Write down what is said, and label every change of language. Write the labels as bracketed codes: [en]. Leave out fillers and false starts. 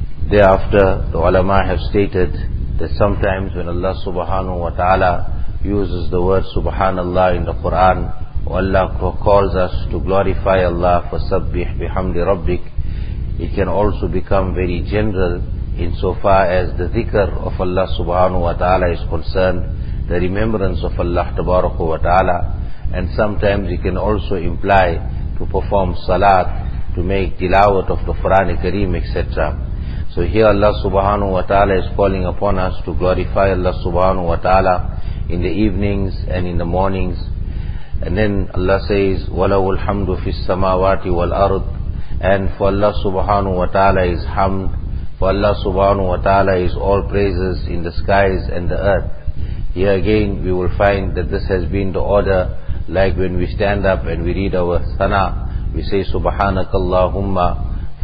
[en] Thereafter, the ulama have stated that sometimes when Allah Subhanahu wa Ta'ala uses the word Subhanallah in the Quran, Allah calls us to glorify Allah for Sabbih bihamdi Rabbik, it can also become very general insofar as the dhikr of Allah Subhanahu wa Ta'ala is concerned, the remembrance of Allah Tabaraka wa Ta'ala. And sometimes it can also imply to perform salat, to make tilawat of the Quran Kareem, etc. So here Allah Subhanahu wa Ta'ala is calling upon us to glorify Allah Subhanahu wa Ta'ala in the evenings and in the mornings. And then Allah says, [ar] وَلَهُ الْحَمْدُ فِي السَّمَاوَاتِ وَالْأَرْضِ. [en] And for Allah Subhanahu wa Ta'ala is hamd, for Allah Subhanahu wa Ta'ala is all praises in the skies and the earth. Here again we will find that this has been the order, like when we stand up and we read our sana, we say Subhanaka Allahumma.